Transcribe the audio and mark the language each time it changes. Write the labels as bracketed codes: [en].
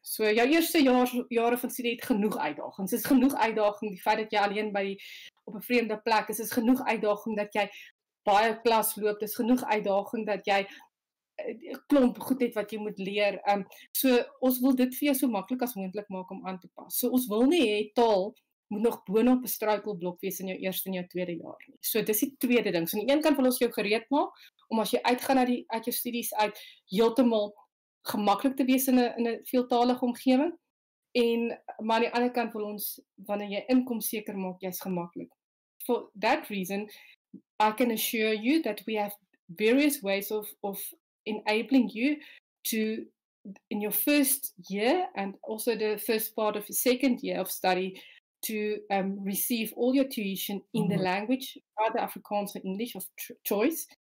[af] So your eerste jare van studie het genoeg uitdagings. Is genoeg uitdaging die feit dat jy alleen by op 'n vreemde plek is genoeg uitdaging dat jy baie klas loop. Is genoeg uitdaging dat jy 'n klomp goed het wat jy moet leer. So ons wil dit vir jou so maklik as moontlik maak om aan te pas. So ons wil nie hê taal moet nog boonop 'n struikelblok wees in jou eerste en jou tweede jaar nie. So dis die tweede ding. So aan die een kant wil ons jou gereed maak om as jy uitgaan uit jou studies uit heeltemal gemaklik te wees in 'n veeltalige omgewing. En maar aan die ander kant wil ons, wanneer jy inkom seker maak, jy's gemaklik. [en] For that reason, I can assure you that we have various ways of enabling you to, in your first year and also the first part of the second year of study, to receive all your tuition in the language, either Afrikaans or English of choice.